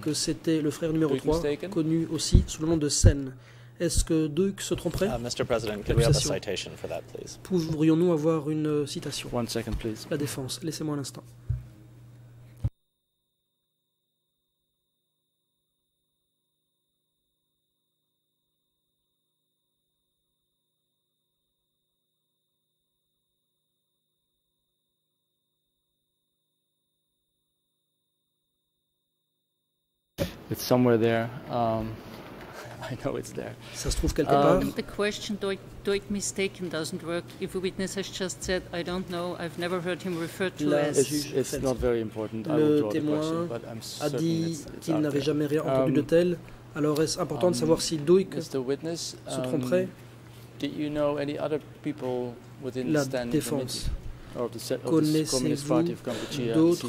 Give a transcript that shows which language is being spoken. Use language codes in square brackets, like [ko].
[fr] Que c'était le frère numéro 3, connu aussi sous le nom de Sen. Est-ce que Duyck se tromperait? [en] Mr. President, could we have a citation for that, please? [fr] Pourrions-nous avoir une citation? [en] One second, please. [fr] La défense, laissez-moi un instant. [en] It's somewhere there. I know it's there. [fr] Ça se trouve quelque part. [en] The question Duyck mistaken doesn't work. If a witness has just said, I don't know, I've never heard him refer to as. It's not very important. [fr] Le témoin a dit qu'il n'avait jamais rien entendu de tel. Alors est-ce important de savoir si Duyck se tromperait? [en] Did you know any other people within [fr] la [en] the [fr] défense. [en] Committee or the Communist Party of Cambodia, [fr] d'autres